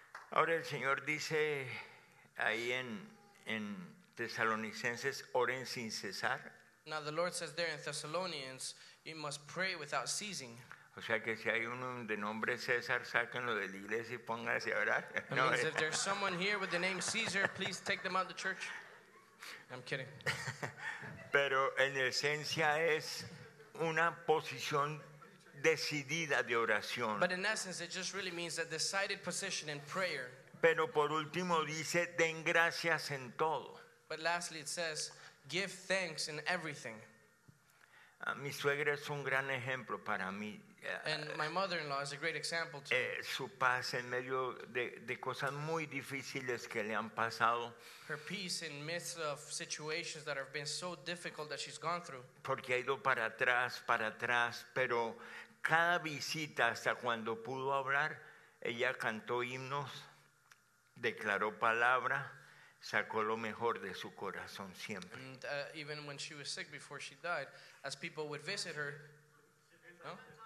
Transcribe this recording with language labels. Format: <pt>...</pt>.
<es>Ahora el Señor dice ahí en Tesalonicenses, oren sin cesar.</es> <en>Now the Lord says there in Thessalonians, you must pray without ceasing.</en> <es>O sea que si hay uno de nombre César, sáquenlo de la iglesia y póngase a orar.</es> <en>No, means if there's someone here with the name Caesar, please take them out of the church. I'm kidding.</en> <es>Pero en esencia es una posición decidida de oración.</es> <en>But in essence, it just really means a decided position in prayer.</en> <es>Pero por último dice, den gracias en todo.</es> <en>But lastly it says, give thanks in everything.</en> <es>Mi suegra es un gran ejemplo para mí.</es> <en>And my mother-in-law is a great example to me.</en> <es>Su paz en medio de cosas muy difíciles que le han pasado.</es> <en>Her peace in midst of situations that have been so difficult that she's gone through.</en> <es>Porque ha ido para atrás, pero cada visita hasta cuando pudo hablar, ella cantó himnos, declaró palabra, sacó lo mejor de su corazón siempre.</es> <en>And, even when she was sick before she died, as people would visit her, no?</en>